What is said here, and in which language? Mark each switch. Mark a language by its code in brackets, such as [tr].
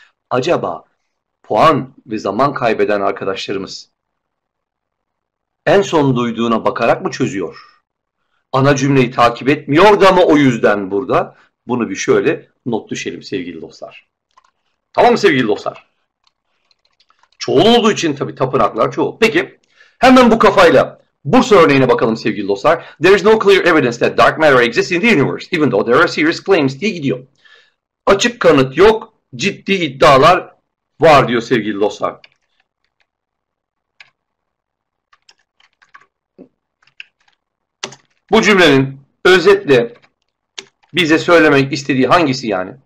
[tr] Acaba puan ve zaman kaybeden arkadaşlarımız en son duyduğuna bakarak mı çözüyor? Ana cümleyi takip etmiyor da mı o yüzden burada? Bunu bir şöyle not düşelim sevgili dostlar. Tamam mı sevgili dostlar? Çoğul olduğu için tabii tapınaklar çoğul. Peki hemen bu kafayla Bursa örneğine bakalım sevgili dostlar. [en] There is no clear evidence that dark matter exists in the universe, even though there are serious claims [tr] diye gidiyor. Açık kanıt yok, ciddi iddialar var diyor sevgili dostlar. Bu cümlenin özetle bize söylemek istediği hangisi yani?